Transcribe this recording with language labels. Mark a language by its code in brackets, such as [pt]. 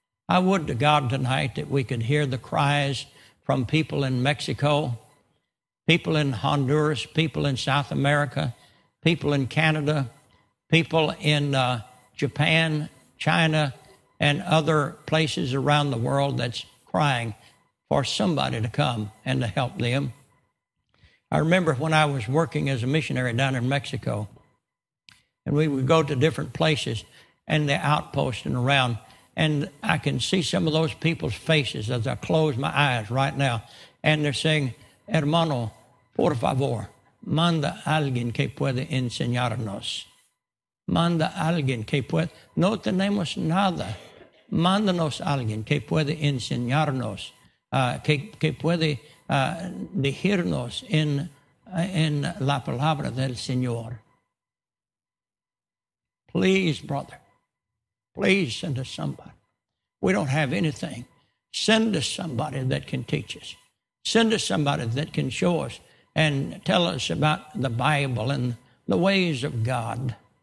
[en] I would to God tonight that we could hear the cries from people in Mexico, people in Honduras, people in South America, people in Canada, people in Japan, China, and other places around the world that's crying for somebody to come and to help them. I remember when I was working as a missionary down in Mexico, and we would go to different places and the outpost and around. And I can see some of those people's faces as I close my eyes right now. And they're saying, [es] hermano, por favor, manda alguien que puede enseñarnos. Manda alguien que puede. No tenemos nada. Mándanos alguien que puede enseñarnos. Que puede dirigirnos en la palabra del Señor. [en] Please, brother. Please send us somebody. We don't have anything. Send us somebody that can teach us. Send us somebody that can show us and tell us about the Bible and the ways of God.